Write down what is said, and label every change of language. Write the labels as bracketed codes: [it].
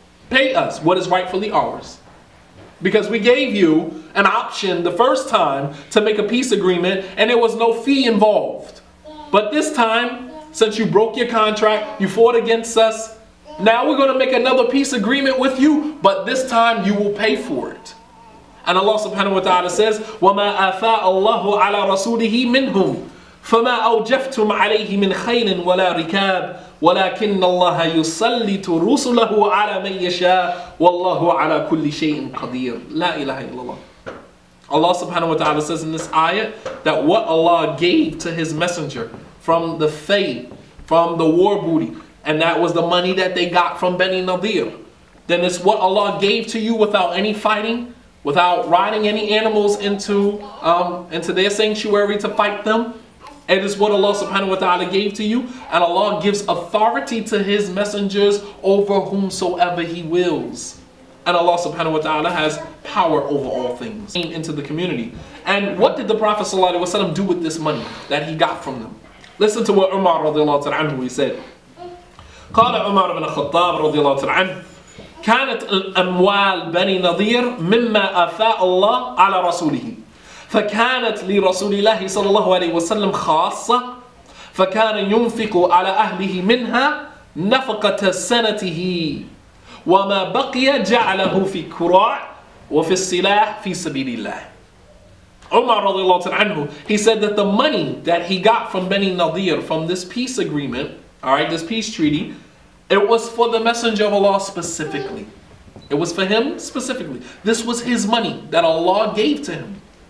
[en] Pay us what is rightfully ours. Because we gave you an option the first time to make a peace agreement, and there was no fee involved. But this time, since you broke your contract, you fought against us, now we're going to make another peace agreement with you, but this time you will pay for it. [ar] And Allah subhanahu wa ta'ala says, وَمَا أَفَاءَ اللَّهُ عَلَىٰ رَسُولِهِ مِنْهُمْ فَمَا أَوْجَفْتُمْ عَلَيْهِ مِنْ خَيْلٍ وَلَا رِكَابٍ وَلَكِنَّ اللَّهَ يُسَلِّتُ رُسُلَهُ عَلَىٰ مَنْ يَشَاءُ وَاللَّهُ عَلَىٰ كُلِّ شَيْءٍ قَدِيرٌ لَا إِلَهَ إِلَّا اللَّهُ. [en] Allah subhanahu wa ta'ala says in this ayah that what Allah gave to His Messenger from the faith, from the war booty, and that was the money that they got from Bani Nadir, then it's what Allah gave to you without any fighting, without riding any animals into their sanctuary to fight them. It is what Allah subhanahu wa ta'ala gave to you. And Allah gives authority to His messengers over whomsoever He wills. And Allah subhanahu wa ta'ala has power over all things into the community. And what did the Prophet sallallahu alaihi wasallam do with this money that he got from them? Listen to what Umar radiallahu ta'ala anhu said. [ar] قال عمر بن الخطاب رضي الله تعالى عنه كانت الأموال بني نضير مما أفاء الله على رسوله فكانت لرسول الله صلى الله عليه وسلم خاصة فكان ينفق على أهله منها نفقة سنته وما بقي جعله في كراع وفي السلاح في سبيل الله. [en] عمر رضي الله تعالى عنه, he said that the money that he got from بني نضير from this peace agreement, all right, this peace treaty, it was for the Messenger of Allah specifically. It was for him specifically. This was his money that Allah gave to him.